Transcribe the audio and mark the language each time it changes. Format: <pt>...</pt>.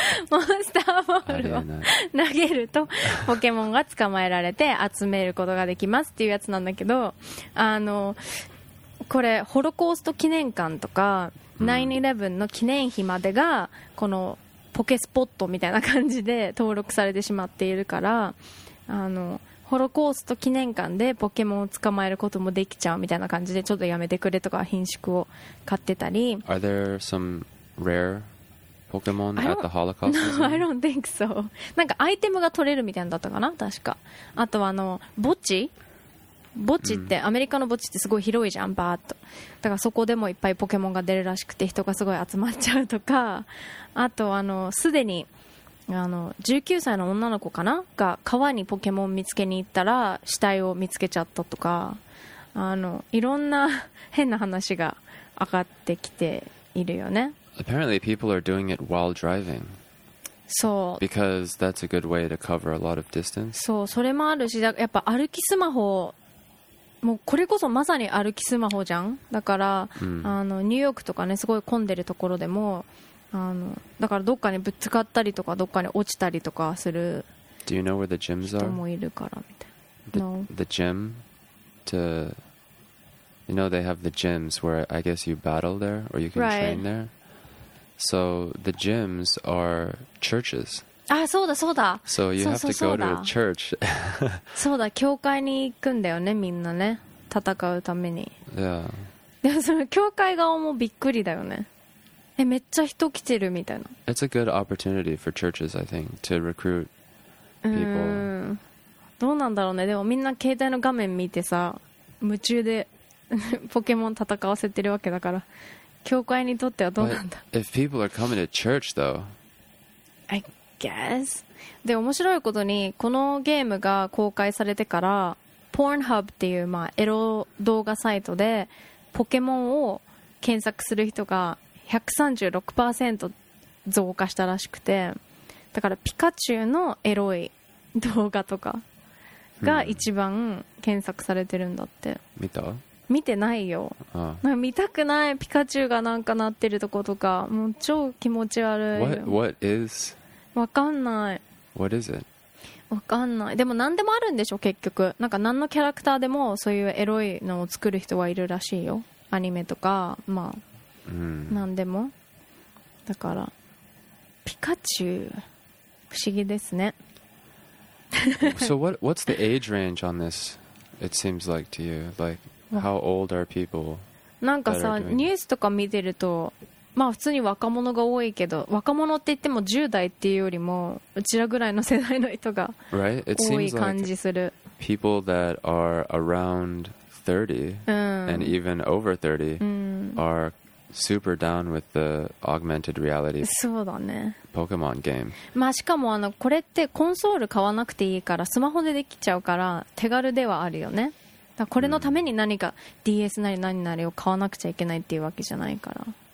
<ja>モンスターボールを投げるとポケモンが捕まえられて集めることができますっていうやつなんだけどあのこれホロコースト記念館とか9/11 の記念碑までがこのポケスポットみたいな感じで登録されてしまっているからあのホロコースト記念館でポケモンを捕まえることもできちゃうみたいな感じでちょっとやめてくれとか顰蹙を買ってたり</ja> <en>Are there some rare Pokemon at the Holocaust? No, I don't think so.</en> <ja>なんかアイテムが取れるみたいなだったかな確かあとはあの墓地墓地って、うん、アメリカの墓地ってすごい広いじゃんバーっとだからそこでもいっぱいポケモンが出るらしくて人がすごい集まっちゃうとかあとあのすでにあの19歳の女の子かなが川にポケモン見つけに行ったら死体を見つけちゃったとかあのいろんな変な話が上がってきているよね</ja> <en>Apparently people are doing it while driving</en> <ja>そう</ja> <en>Because that's a good way to cover a lot of distance</en> <ja>そうそれもあるしやっぱ歩きスマホもうこれこそまさに歩きスマホじゃんだから、うん、あのニューヨークとかねすごい混んでるところでもあのだからどっかにぶつかったりとかどっかに落ちたりとかする人もいるからみたい</ja> <en>な the gym to you know they have the gyms where I guess you battle there or you can train there so the gyms are churches</en> <ja>あそうだそうだ</ja> <en>so you have to go to a church</en> <ja>そうだ教会に行くんだよねみんなね戦うために、</ja> <en>yeah.</en> <ja>でもその教会側もびっくりだよねえめっちゃ人来てるみたいな</ja> <en>It's a good opportunity for churches I think to recruit people</en> <ja>うんどうなんだろうねでもみんな携帯の画面見てさ夢中でポケモン戦わせてるわけだから教会にとってはどうなんだ</ja> <en>But if people are coming to church though I guess</en> <ja>で面白いことにこのゲームが公開されてから Pornhub っていう、まあ、エロ動画サイトでポケモンを検索する人が 136% 増加したらしくてだからピカチュウのエロい動画とかが一番検索されてるんだって、うん、見た見てないよああなんか見たくないピカチュウがなんか鳴ってるとことかもう超気持ち悪い</ja> <en>What is</en> <ja>わかんない</ja> <en>What is it?</en> <ja>わかんないでも何でもあるんでしょ結局なんか何のキャラクターでもそういうエロいのを作る人はいるらしいよアニメとかまあ、 mm. 何でもだからピカチュウ不思議ですね</ja> <en>So what's the age range on this? It seems like to you Like how old are people?</en> <ja>なんかさニュースとか見てるとまあ普通に若者が多いけど若者って言っても10代っていうよりもうちらぐらいの世代の人が多い感じする、</ja> <en>right? like、people that are around 30、うん、 and even over 30、うん、are super down with the augmented reality</en> <ja>そうだね</ja> <en>Pokemon game</en> <ja>まあしかもあのこれってコンソール買わなくていいからスマホでできちゃうから手軽ではあるよねだこれのために何か DS なり何なりを買わなくちゃいけないっていうわけじゃないから</ja>